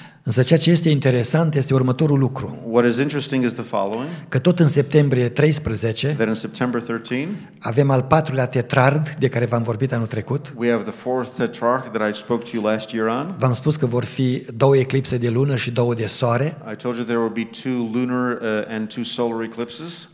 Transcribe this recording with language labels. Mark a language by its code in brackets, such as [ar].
[ro] Însă ceea ce este interesant este următorul lucru. [en] What is interesting is the following. [ro] Că tot în septembrie 13, [en] that in September 13, [ro] avem al patrulea tetrard de care v-am vorbit anul trecut. [en] We have the fourth tetrarch that I spoke to you last year on. [ro] V-am spus că vor fi două eclipse de lună și două de soare. [en] I told you there will be two lunar and two solar eclipses.